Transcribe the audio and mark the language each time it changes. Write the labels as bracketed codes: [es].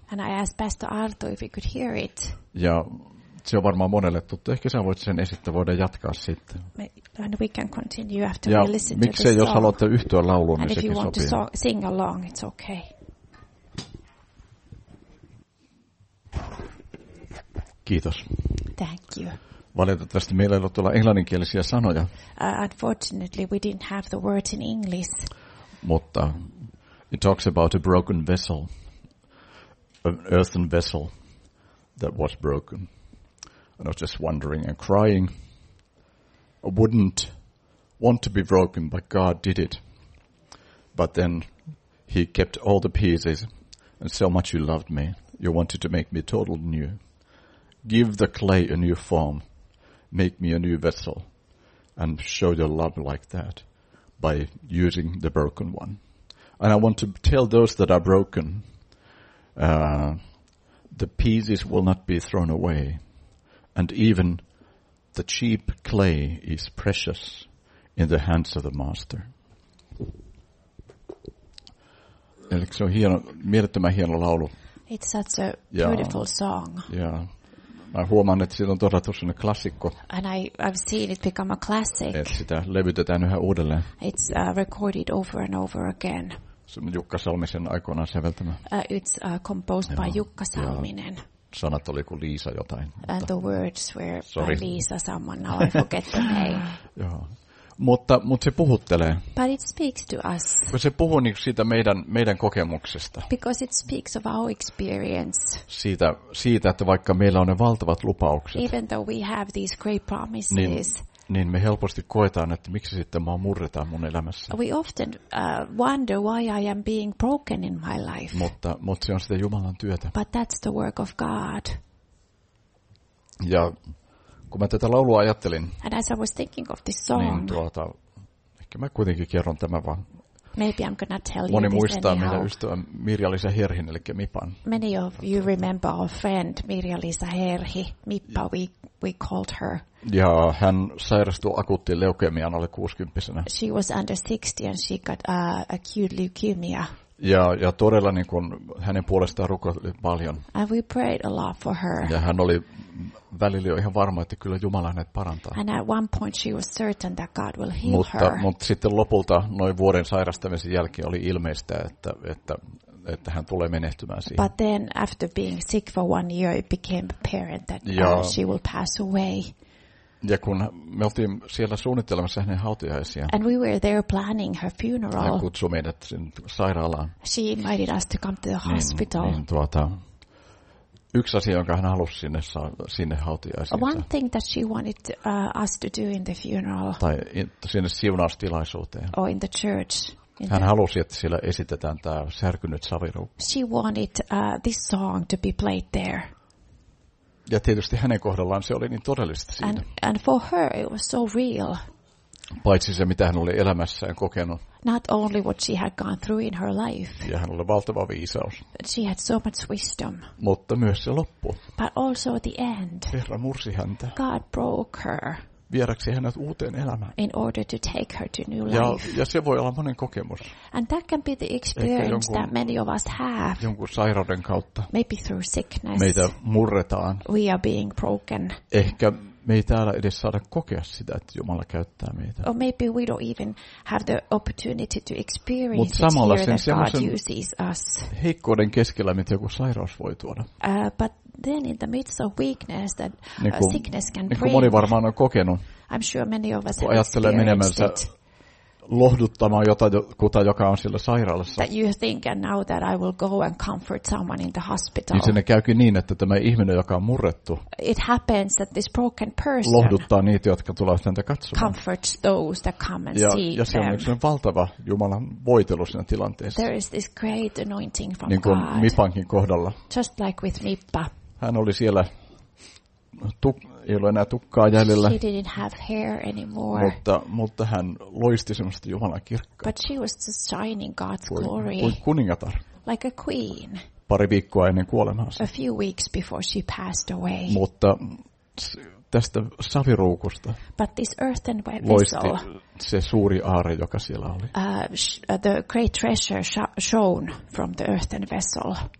[en] And I asked Pastor Arto if we could hear it. [fi] Ja se on varmaan monelle tuttu. Ehkä sä voit sen esittää, voidaan jatkaa sitten. [en] And we can continue after [fi] ja [en] we listen to this. [fi] Ja miksei, jos haluatte yhtyä lauluun, [en] and [fi] niin sekin sopii. [en] And if you want to sing along, it's okay. [fi] Kiitos. [en] Thank you. [fi] Valitettavasti meillä ei ollut tuolla englanninkielisiä sanoja. [en] Unfortunately, we didn't have the words in English. Mutta it talks about a broken vessel, an earthen vessel that was broken. And I was just wondering and crying. I wouldn't want to be broken, but God did it. But then he kept all the pieces. And so much you loved me, you wanted to make me totally new. Give the clay a new form. Make me a new vessel. And show your love like that by using the broken one. And I want to tell those that are broken, the pieces will not be thrown away. And even the cheap clay is precious in the hands of the master. [fi] Eli se on hieno, mielettömän hieno laulu. [en] It's such a beautiful song. Yeah. [fi] Mä huomaan, että siitä on todettu sellainen klassikko. [en] And I've seen it become a classic. [fi] Et sitä levytetään yhä uudelleen. [en] It's recorded over and over again. [fi] Se on Jukka Salmisen aikoinaan säveltämä. [en] It's composed by Jukka Salminen. Yeah. [fi] Sanat oli kuin Liisa jotain. [en] And the words were by Liisa someone, now I forget the name. [fi] Joo. Mutta se puhuttelee. [en] But it speaks to us. [fi] Kun se puhuu niin siitä meidän kokemuksesta. [en] Because it speaks of our experience. [fi] Siitä, että vaikka meillä on ne valtavat lupaukset. [en] Even though we have these great promises. [fi] Niin me helposti koetaan, että miksi sitten mua murretaan mun elämässä. [en] We often wonder why I am being broken in my life. [fi] Mutta se on sitä Jumalan työtä. [en] But that's the work of God. [fi] Ja kun mä tätä laulua ajattelin. [en] And as I was thinking of this song. [fi] Niin ehkä mä kuitenkin kerron tämän vaan. [en] Maybe I'm gonna tell [fi] moni [en] you [fi] muistaa [en] this [fi] meidän ystävän Mirja-Liisa Herhin, eli Mipan. [en] Many of you remember our friend Mirja-Liisa Herhi, Mippa we called her. [fi] Ja hän sairastui akuuttiin leukemiaan alle 60-vuotiaana. [en] She was under 60 and she got acute leukemia. [fi] Ja todella niin kun hänen puolestaan rukoili paljon. [en] And we prayed a lot for her. [fi] Ja hän oli välillä jo ihan varma, että kyllä Jumala hänet parantaa. [en] And at one point she was certain that God will heal [fi] Mutta sitten lopulta noin vuoden sairastamisen jälkeen oli ilmeistä, että hän tulee menehtymään siihen. [en] But then after being sick for one year it became apparent that she will pass away. [fi] Ja kun me oltiin siellä suunnittelemassa hänen hautajaisiaan. [en] And we were there planning her funeral. [fi] Hän kutsui meidät sinne sairaalaan. [en] She invited us to come to the hospital. [fi] Yksi asia, jonka hän halusi sinne hautajaisiinsa. [en] One thing that she wanted us to do in the funeral. [fi] Tai sinne siunaustilaisuuteen. [en] Or in the church. [fi] Hän halusi, että siellä esitetään tämä särkynyt saviruukku. [en] She wanted this song to be played there. [fi] Ja tietysti hänen kohdallaan se oli niin todellista siinä. [en] And for her it was so real. [fi] Paitsi se, mitä hän oli elämässään kokenut. [en] Not only what she had gone through in her life. [fi] Ja hän oli valtava viisaus. [en] She had so much wisdom. [fi] Mutta myös se loppu. [en] But also the end. [fi] Herra mursi häntä. [en] God broke her. [fi] Viedäksi hänet uuteen elämään. [en] In order to take her to new life. [fi] Ja se voi olla monen kokemus. [en] And that can be the experience that many of us have. [fi] Jonkun sairauden kautta. [en] Maybe through sickness. [fi] Meitä murretaan. [en] We are being broken. [fi] Ehkä me ei täällä edes saada kokea sitä, että Jumala käyttää meitä. [en] Or maybe we don't even have the opportunity to experience it here that God uses us. [fi] Heikkouden keskellä, mitä joku sairaus voi tuoda. [en] But then in the midst of weakness that sickness can bring. [fi] Niin kuin moni varmaan on kokenut. [en] I'm sure many of us [fi] kun ajattelee menemänsä lohduttamaan jotakuta, joka on siellä sairaalassa. [en] That you think and now that I will go and comfort someone in the hospital. [fi] Niin sinne käykin niin, että tämä ihminen, joka on murrettu. [en] It happens that this broken person. [fi] Lohduttaa niitä, jotka tulevat häntä katsomaan. [en] Comforts those that come and ja see them. [fi] Ja se on valtava Jumalan voitelu siinä tilanteessa. [en] There is this great anointing from [fi] niin kuin [en] God. [fi] Mipankin kohdalla. [en] Just like with Mippa. [fi] Hän oli siellä ei ollut enää tukkaa jäljellä. [en] She didn't have hair anymore. [fi] Mutta hän loisti semmoista Jumalan kirkkaa. [en] But she was just shining God's glory. [fi] Kuin kuningatar. [en] Like a queen. [fi] Pari viikkoa ennen kuolemaansa. [en] A few weeks before she passed away. [fi] Mutta tästä saviruukusta. [en] But this earthen vessel. [fi] Loisti se suuri aare, joka siellä oli. [en] The great treasure shone from the earthen vessel.